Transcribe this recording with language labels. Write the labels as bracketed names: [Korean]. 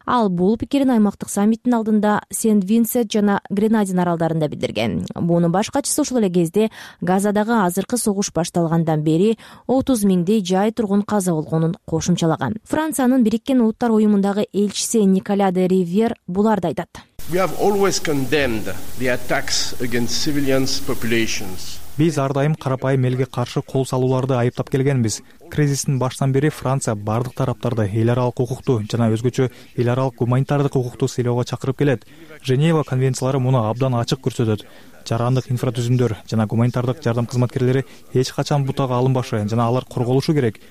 [Kyrgyz] Ал бул пикирин аймактык саммиттин алдында Сент-Винсент жана Гренадин аралдарында билдирген. Буунун баш катчысы ушул эле кезде Газадагы азыркы согуш башталгандан бери 30,000 жай тургун каза болгонун кошумчалаган. Франциянын Бириккен Улуттар Уюмундагы элчиси Никола де Ривьер буларды айтат. [English] We have always condemned the attacks against civilians populations. [Kyrgyz] Биз ар дайым карапайым элге каршы кол салууларды айыптап келгенбиз. Кризистин баштан бери Франция бардык тараптарды эл аралык укукту жана өзгөчө эл аралык гуманитардык укукту сыйлоого чакырып келет. Женева конвенциялары муну абдан ачык көрсөтөт. Жарандык инфратүзүмдөр жана гуманитардык жардам кызматкерлери эч качан бутага алынбашы жана алар корголушу керек.